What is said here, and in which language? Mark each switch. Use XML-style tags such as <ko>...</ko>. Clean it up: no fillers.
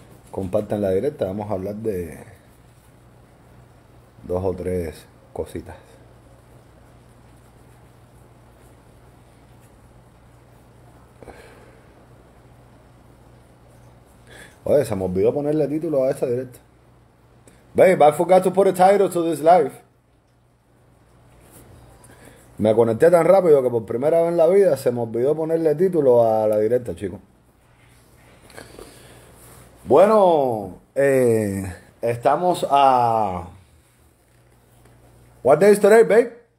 <es>Compartan la directa, vamos a hablar de dos o tres cositas. Oye, se me olvidó ponerle título a esta directa.</es> <en>Babe, I forgot to put a title to this live.</en> <es>Me conecté tan rápido que por primera vez en la vida se me olvidó ponerle título a la directa, chicos. Bueno, estamos a...</es> <en>What day is today, babe?</en>